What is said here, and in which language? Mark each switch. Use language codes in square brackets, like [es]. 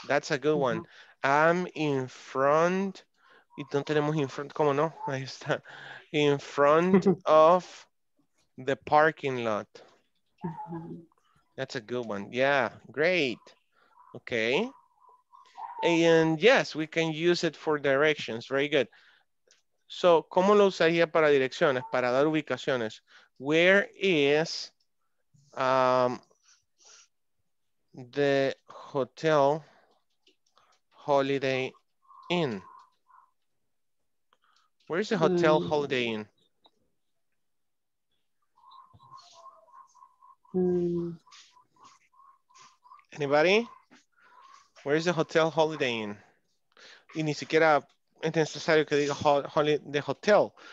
[en] That's a good one. I'm in front. [es] Y no tenemos [en] in front. [es] ¿Cómo no? Ahí está. [en] In front of the parking lot. Uh-huh. That's a good one. Yeah, great. Okay, and yes, we can use it for directions. Very good. [es] So, ¿cómo lo usaría para direcciones, para dar ubicaciones? [en] Where is the hotel Holiday Inn? Where is the hotel Holiday Inn? Anybody? Where is the hotel Holiday Inn? [es] Y ni siquiera es necesario que diga [en] the hotel.